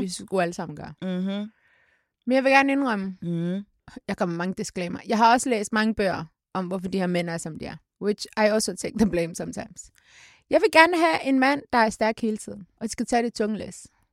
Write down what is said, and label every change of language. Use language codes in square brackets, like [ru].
[da] Vi skulle alle sammen gøre. Mm-hmm. Men jeg vil gerne indrømme. Mm-hmm. Jeg kommer med mange disclaimer. Jeg har også læst mange bøger om, hvorfor de her mænd er, som de er. [en] Which I also take the blame sometimes. [da] Jeg vil gerne have en mand, der er stærk hele tiden. Og skal tage det tunge læs.